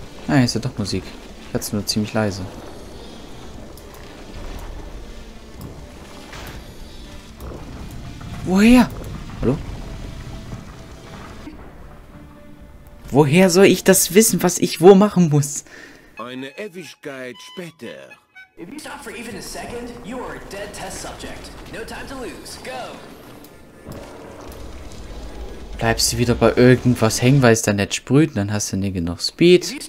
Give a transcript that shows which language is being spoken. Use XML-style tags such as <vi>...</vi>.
<de>Ah, ist ja doch Musik. Jetzt nur ziemlich leise. Woher? Hallo? Woher soll ich das wissen, was ich wo machen muss? Eine Ewigkeit später.</de> <en>If you stop for even a second, you are a dead test subject. No time to lose. Go!</en> <de>Bleibst du wieder bei irgendwas hängen, weil es dann nicht sprüht, dann hast du nicht genug Speed.</de>